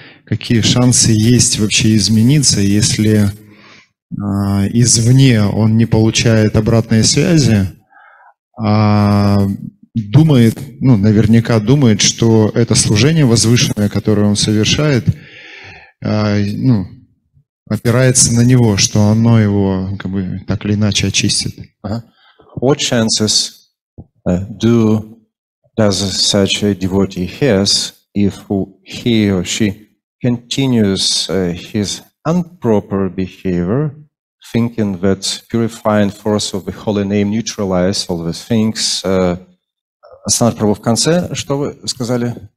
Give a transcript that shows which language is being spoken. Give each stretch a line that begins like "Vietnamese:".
Russian: Какие шансы есть вообще измениться, если извне он не получает обратной связи, а думает, ну, наверняка думает, что это служение возвышенное, которое он совершает, ну, опирается на него, что оно его как бы так или иначе очистит.
English: What chances does such a devotee has if he or she continues his improper behavior, thinking that purifying force of the holy name neutralizes all the things.
Russian: Санат Прабху, в конце, что вы сказали?